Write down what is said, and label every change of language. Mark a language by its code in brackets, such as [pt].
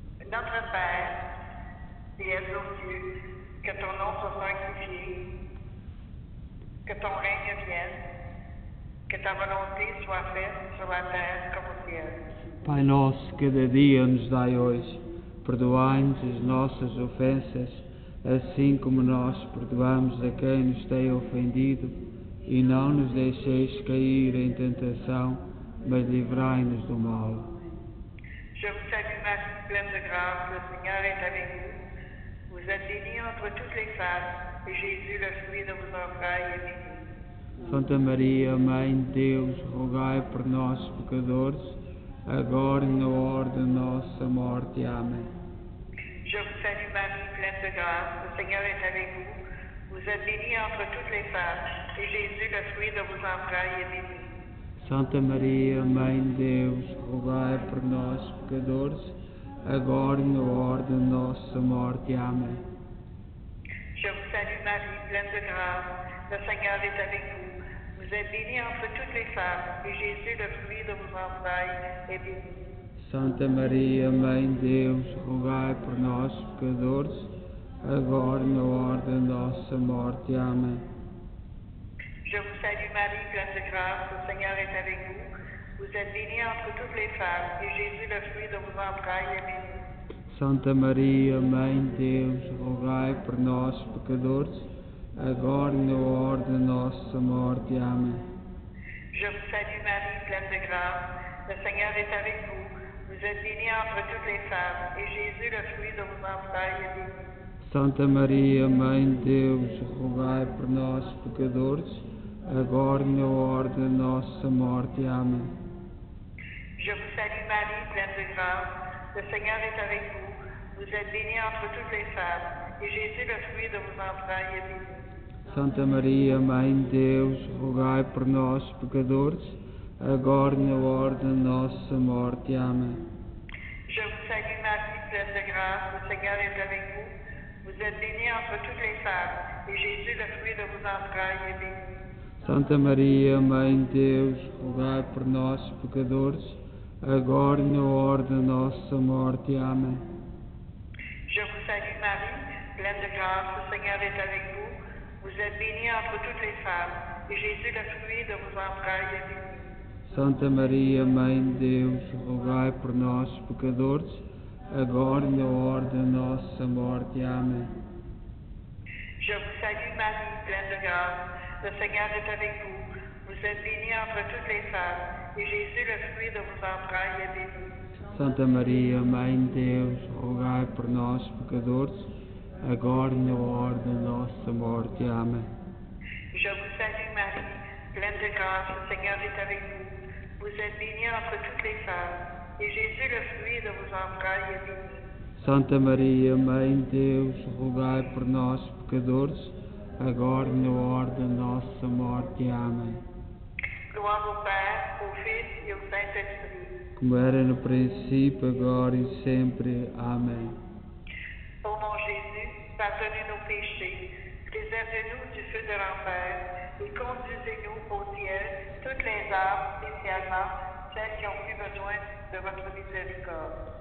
[fr] Notre Père, qui es au Dieu, que ton nom soit sanctifié, que ton règne vienne, que ta volonté soit faite sur la terre comme au ciel. [pt] Pai nosso, cada dia nos dai hoje, perdoai-nos as nossas ofensas, assim como nós perdoamos a quem nos tem ofendido, e não nos deixeis cair em tentação, mas livrai-nos do mal. [fr] Je vous salue, Marie, pleine de grâce, le Seigneur est avec vous. Vous êtes bénie entre toutes les femmes, et Jésus, le fruit de vos entrailles, est béni. [pt] Santa Maria, Mãe de Deus, rogai por nós, pecadores, agora e na hora de nossa morte. Amém. [fr] Je vous salue, Marie, pleine de grâce. Le Seigneur est avec vous. Vous êtes bénie entre toutes les femmes. Et Jésus, le fruit de vos entrailles, est béni. [pt] Santa Maria, Mãe de Deus, rogai por nós, pecadores, agora e na hora de nossa morte. Amém. [fr] Je vous salue, Marie, pleine de grâce. Le Seigneur est avec vous. Vous êtes bénie entre toutes les femmes, et Jésus, le fruit de vos entrailles, est béni. [pt] Santa Maria, Mãe de Deus, rogai por nós, pecadores, agora e na hora da nossa morte. Amém. [fr] Je vous salue, Marie, pleine de grâce, le Seigneur est avec vous. Vous êtes bénie entre toutes les femmes, et Jésus, le fruit de vos entrailles, est béni. [pt] Santa Maria, Mãe de Deus, rogai por nós, pecadores, agora e na hora da nossa morte. Amém. [fr] Je vous salue, Marie, pleine de grâce. Le Seigneur est avec vous. Vous êtes bénie entre toutes les femmes, et Jésus, le fruit de vos entrailles, est béni. [pt] Santa Maria, Mãe de Deus, rogai por nós, pecadores, agora e na hora da nossa morte. Amém. [fr] Je vous salue, Marie, pleine de grâce. Le Seigneur est avec vous. Vous êtes bénie entre toutes les femmes, et Jésus, le fruit de vos entrailles, est béni. [pt] Santa Maria, Mãe de Deus, rogai por nós, pecadores, agora e na hora da nossa morte. Amém. [fr] Je vous salue, Marie, pleine de grâce, le Seigneur est avec vous. Vous êtes bénie entre toutes les femmes, et Jésus, le fruit de vos entrailles, est béni. [pt] Santa Maria, Mãe de Deus, rogai por nós, pecadores, agora e na hora da nossa morte. Amém. [fr] Je vous salue, Marie, pleine de grâce, le Seigneur est avec vous. Vous êtes bénie entre toutes les femmes, et Jésus, le fruit de vos entrailles, est béni. [pt] Santa Maria, Mãe de Deus, rogai por nós, pecadores, agora e na hora da nossa morte. Amém. [fr] Je vous salue, Marie, pleine de grâce. Le Seigneur est avec vous. Vous êtes bénie entre toutes les femmes, et Jésus, le fruit de vos entrailles, est béni. [pt] Santa Maria, Mãe de Deus, rogai por nós, pecadores, agora e na hora da nossa morte. Amém. [fr] Je vous salue, Marie, pleine de grâce, le Seigneur est avec vous. Vous êtes bénie entre toutes les femmes, et Jésus, le fruit de vos entrailles, est béni. [pt] Santa Maria, Mãe de Deus, rogai por nós, pecadores, agora e na hora da nossa morte. Amém. Louvai o Pai, o Filho e o Saint-Esprit. Como era no princípio, agora e sempre. Amém. [fr] Ô mon Jésus, pardonnez-nos péchés, préservez-nous du feu de l'enfer, et conduisez-nous au ciel toutes les âmes, spécialement celles qui ont plus besoin de votre miséricorde.